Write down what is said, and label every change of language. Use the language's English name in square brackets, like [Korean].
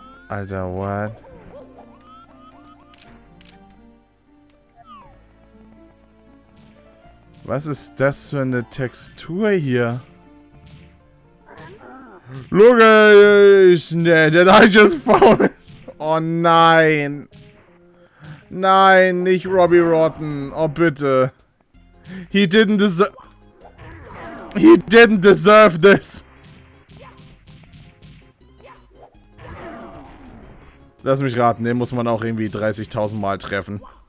[German] Alter, what? Was ist das für eine Textur hier? [English] Look at this, that I just found. [German] Oh nein. Nein, nicht Robbie Rotten. Oh bitte. [English] He didn't deserve this. [German] Lass mich raten, den muss man auch irgendwie 30.000 Mal treffen.